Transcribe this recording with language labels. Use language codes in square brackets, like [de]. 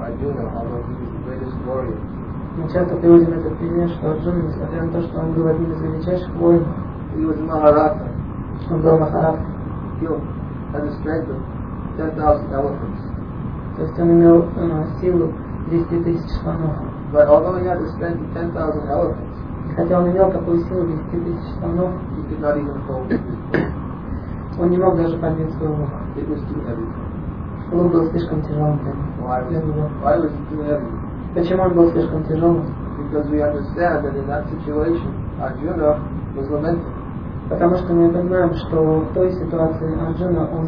[ru] Мы часто приводим этот пример, что Арджуна, несмотря на то, что он был одним из величайших воинов, [en] he was a Maharatha. [ru] Он был Махарадха. [en] Had the strength of 10,000 elephants. [ru] То есть он имел силу 10,000 слонов. [en] But although he had the strength of 10,000 elephants, [ru] хотя он имел такую силу 10,000 слонов, [en] he could not even hold his [ru] он не мог даже поднять свой лук. [en] It was too heavy. [ru] Лук был слишком тяжелым для него. [en] Why was it too heavy? [ru] Почему он был слишком тяжелым? [en] Because we understand that in that situation, Arjuna was lamenting. [ru] Потому что мы понимаем, что в той ситуации Арджуна, он